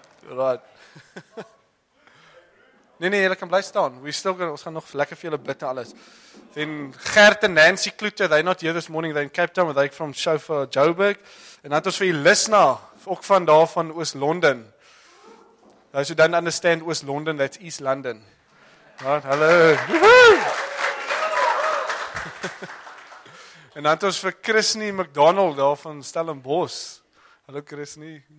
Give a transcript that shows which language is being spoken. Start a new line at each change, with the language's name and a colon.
English: Alright.
Afrikaans: Nee, julle kan bly staan. Ons gaan nog lekker vir julle bid en alles.
English: Then Gert en Nancy Kloete, they're not here this morning, they're in Cape Town, they're from Shofar Joburg.
Afrikaans: En dan het ons vir Lisna, ook van daar van Oost-London.
English: Those who don't understand Oost-London, that's East London. Right, hello.
Afrikaans: En dan het ons vir Chrisney McDonald, daar van Stellenbosch. Hallo Chrisney.